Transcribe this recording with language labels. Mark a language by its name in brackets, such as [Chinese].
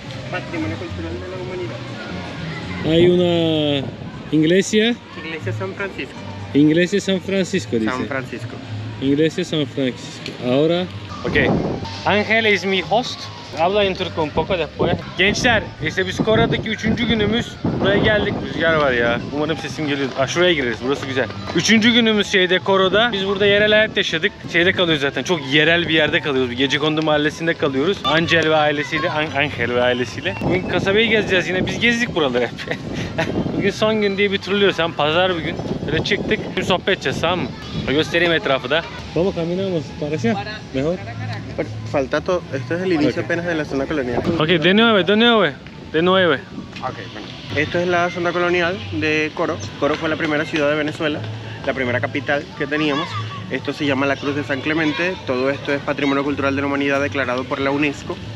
[Spanish] Patrimonio cultural de la humanidad. Hay una iglesia. Iglesia San Francisco. Iglesia San Francisco, dice. San Francisco. Iglesia San Francisco. Ahora. Ok. Ángel es mi host. Habla en turco un poco después. [Turkish] Gençler, işte biz Kora'daki üçüncü günümüz. Buraya geldik, rüzgar var ya. Umarım sesim geliyor. Aa, şuraya gireriz, burası güzel. Üçüncü günümüz şeyde Koro'da. Biz burada yerel hayat yaşadık. Şeyde kalıyoruz zaten, çok yerel bir yerde kalıyoruz. Gecekondu mahallesinde kalıyoruz. Angel ve ailesiyle, Angel ve ailesiyle. Bugün kasabayı gezeceğiz yine, biz gezdik buraları hep. Bugün son gün diye bir turluyoruz, hem pazar bir gün. Böyle çıktık, bir sohbet edeceğiz, tamam mı? Göstereyim etrafı da. [Spanish] Baba, caminamos, parasya. Mejor. Falta todo, esto es el inicio okay. Apenas de la zona colonial. Ok, de nuevo. Ok, bueno. Esto es la zona colonial de Coro. Coro fue la primera ciudad de Venezuela, la primera capital que teníamos. Esto se llama la Cruz de San Clemente. Todo esto es Patrimonio Cultural de la Humanidad declarado por la UNESCO.